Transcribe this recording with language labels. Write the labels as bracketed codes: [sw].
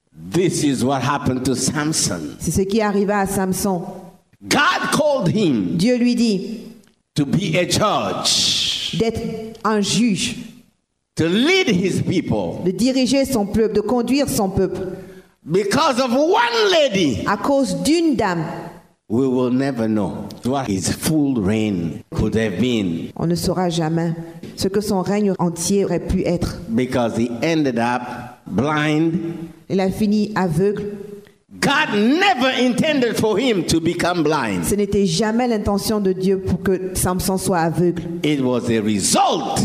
[en] This is what happened to Samson. [fr] C'est ce qui arriva à Samson. [en] God called him, [fr] Dieu lui dit, [en] to be a judge, [fr] d'être un juge, [en] to lead his people, [fr] de diriger son peuple, de conduire son peuple. [en] Because of one lady, [fr] à cause d'une dame, [en] we will never know what his full reign could have been. [fr] On ne saura jamais ce que son règne entier aurait pu être. [en] Because he ended up blind, [fr] il a fini aveugle. [en] God never intended for him to become blind. [fr] Ce n'était jamais l'intention de Dieu pour que Samson soit aveugle. [en] It was a result.